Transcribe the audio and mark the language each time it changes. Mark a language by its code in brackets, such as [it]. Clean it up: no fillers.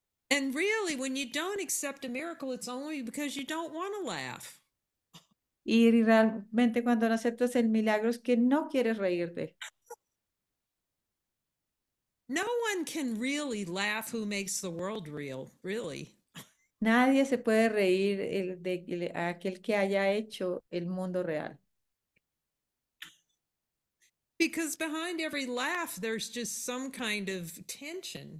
[en] And really, when you don't accept a miracle, it's only because you don't want to laugh. [es] Y realmente cuando no aceptas el milagro es que no quieres reírte. [en] No one can really laugh who makes the world real, really. [es] Nadie se puede reír de aquel que haya hecho el mundo real. [en] Because behind every laugh, there's just some kind of tension.